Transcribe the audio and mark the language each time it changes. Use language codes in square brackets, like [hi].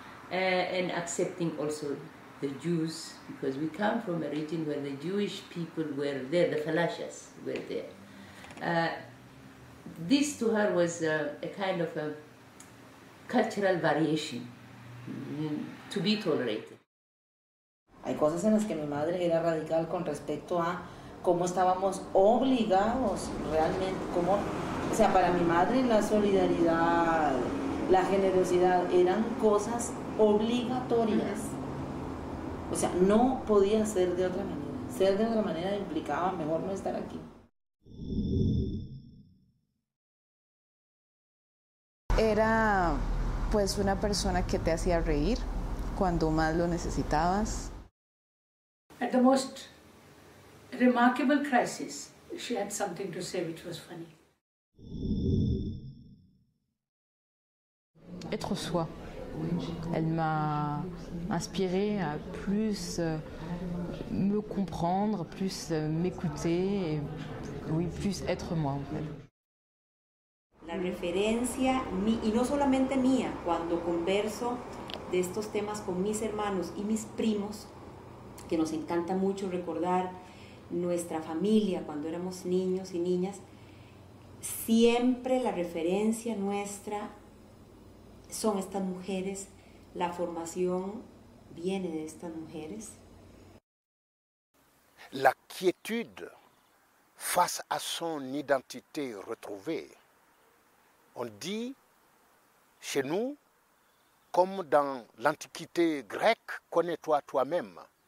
[en] And accepting also the Jews, because we come from a region where the Jewish people were there, the Falashas were there. This to her was a kind of a cultural variation to be tolerated. [es] Hay cosas en las que mi madre era radical con respecto a cómo estábamos obligados realmente, cómo, o sea, para mi madre la solidaridad, la generosidad eran cosas obligatorias. O sea, no podía ser de otra manera. Ser de otra manera implicaba mejor no estar aquí. Era pues una persona que te hacía reír cuando más lo necesitabas. [en] At the most remarkable crisis, she had something to say which was funny. [fr] Être soi. Elle m'a inspiré à plus me comprendre, plus m'écouter, et oui, plus être moi, en fait. [es] La referencia, y no solamente mía, cuando converso de estos temas con mis hermanos y mis primos, que nos encanta mucho recordar nuestra familia cuando éramos niños y niñas, siempre la referencia nuestra son estas mujeres, la formación viene de estas mujeres. [fr] La quietude face à son identité retrouvée. On dit chez nous comme dans l'Antiquité grecque, connais-toi toi-même.